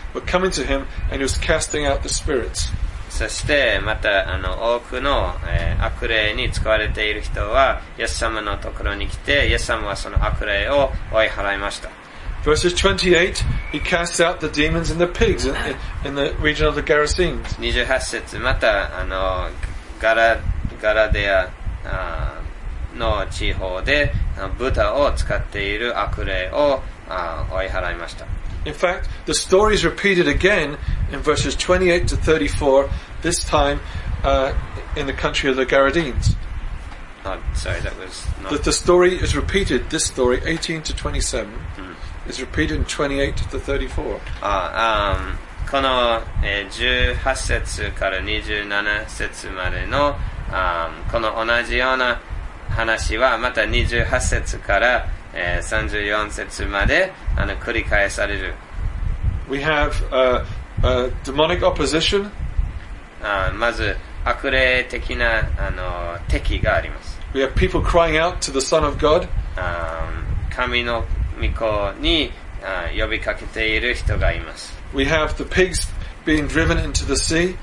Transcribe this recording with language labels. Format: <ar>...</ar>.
<en>were coming to him, and he was casting out the spirits.</en> <ja>そしてまた多くの、悪霊に使われている人はイエス様のところに来て、イエス様はその悪霊を追い払いました。</ja> <en>Verses 28, he casts out the demons and the pigs in the region of the Gerasenes.</en> <ja>28節、またガラデア、の地方で豚を使っている悪霊を追い払いました。</ja> <en>In fact, the story is repeated again in verses 28 to 34, this time in the country of the Gerasenes. The story is repeated, this story, 18 to 27,、is repeated in 28 to 34.</en> <ja>この、18節から27節までの、この同じような話はまた28節から、34節まで繰り返される。</ja> <en>We have a demonic opposition.</en> <ja>まず悪霊的な敵があります。</ja> <en>We have people crying out to the Son of God.</en> <ja>神の御子に呼びかけている人がいます。</ja> <en>We have the pigs being driven into the sea.</en>